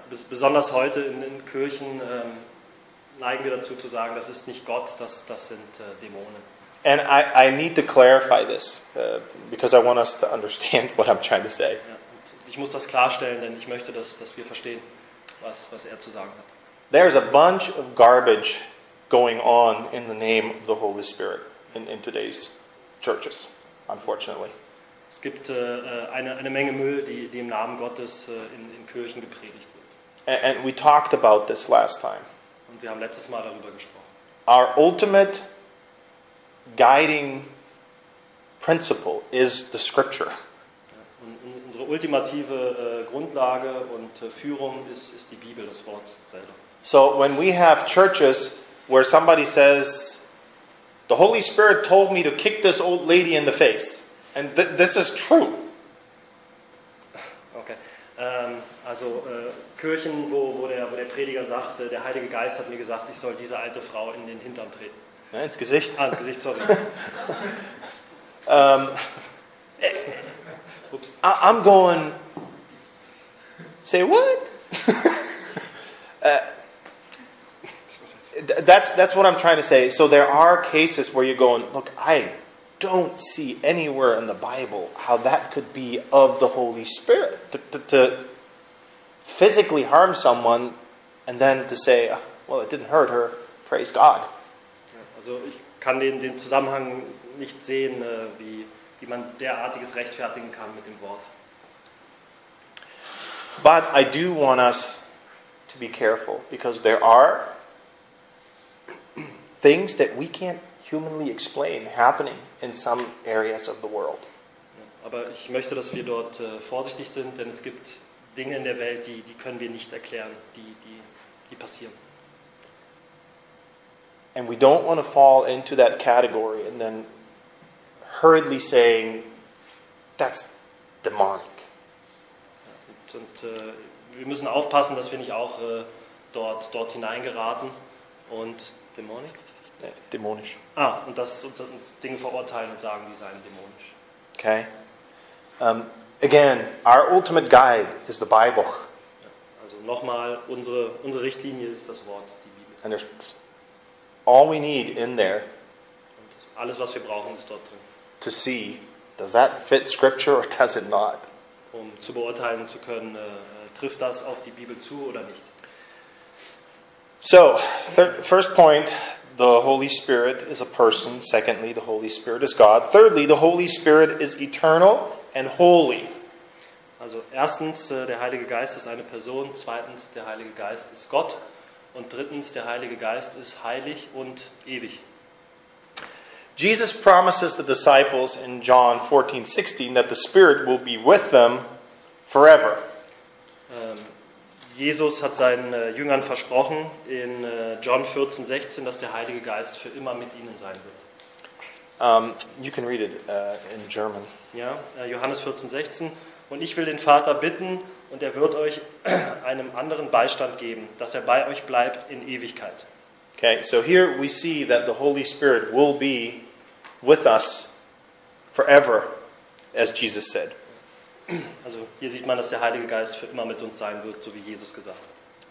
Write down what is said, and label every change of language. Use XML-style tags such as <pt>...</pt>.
<de>Besonders heute in Kirchen neigen wir dazu zu sagen, das ist nicht Gott, das sind Dämonen.</de> <en>And I need to clarify this, because I want us to understand what I'm trying to say.</en> <de>Ich muss das klarstellen, denn ich möchte, dass wir verstehen, was er zu sagen hat.</de> <en>There's a bunch of garbage going on in the name of the Holy Spirit in today's churches, unfortunately.</en> <de>Es gibt eine Menge Müll, die im Namen Gottes in Kirchen gepredigt wird.</de> <en>And we talked about this last time.</en> <de>Und wir haben letztes Mal darüber gesprochen.</de> <en>Our ultimate guiding principle is the Scripture.</en> <de>Unsere ultimative Grundlage und Führung ist die Bibel, das Wort selber.</de> <en>So when we have churches where somebody says, the Holy Spirit told me to kick this old lady in the face, and this is true. Okay.</en> <de>Kirchen, wo der Prediger sagt, der Heilige Geist hat mir gesagt, ich soll diese alte Frau in den Hintern treten. Ja, ins Gesicht. Ah, ins Gesicht, sorry.</de> <en>I'm going, say what? that's what I'm trying to say. So there are cases where you're going, look, I don't see anywhere in the Bible how that could be of the Holy Spirit to physically harm someone and then to say, well, it didn't hurt her, praise God.</en> <de>Also ich kann den Zusammenhang nicht sehen, wie man derartiges rechtfertigen kann mit dem Wort.</de> <en>But I do want us to be careful, because there are things that we can't humanly explain happening in some areas of the world.</en> <de>Aber ich möchte, dass wir dort vorsichtig sind, denn es gibt Dinge in der Welt, die können wir nicht erklären, die passieren.</de> <en>And we don't want to fall into that category and then hurriedly saying, that's demonic.</en> <de>Und wir müssen aufpassen, dass wir nicht auch dort hineingeraten und demonic? Dämonisch. Ah, und dass uns Dinge verurteilen und sagen, die seien dämonisch.</de> <en>Okay. Again, our ultimate guide is the Bible.</en> <de>Also nochmal, unsere Richtlinie ist das Wort, die Bibel.</de> <en>And there's all we need in there.</en> <de>Und alles, was wir brauchen, ist dort drin.</de> <en>To see, does that fit Scripture or does it not?</en> <de>Um zu beurteilen zu können, trifft das auf die Bibel zu oder nicht?</de> <en>So, first point, the Holy Spirit is a person. Secondly, the Holy Spirit is God. Thirdly, the Holy Spirit is eternal and holy.</en> <de>Also erstens, der Heilige Geist ist eine Person. Zweitens, der Heilige Geist ist Gott. Und drittens, der Heilige Geist ist heilig und ewig.</de> <en>Jesus promises the disciples in John 14:16 that the Spirit will be with them forever.</en> <de>Jesus hat seinen Jüngern versprochen in John 14:16, dass der Heilige Geist für immer mit ihnen sein wird.</de> <en>You can read it in German.</en> <de>Ja, Johannes 14:16. Und ich will den Vater bitten, und er wird euch einen anderen Beistand geben, dass er bei euch bleibt in Ewigkeit.</de> <en>Okay, so here we see that the Holy Spirit will be with us forever, as Jesus said.</en> <de>Also hier sieht man, dass der Heilige Geist für immer mit uns sein wird, so wie Jesus gesagt hat.</de>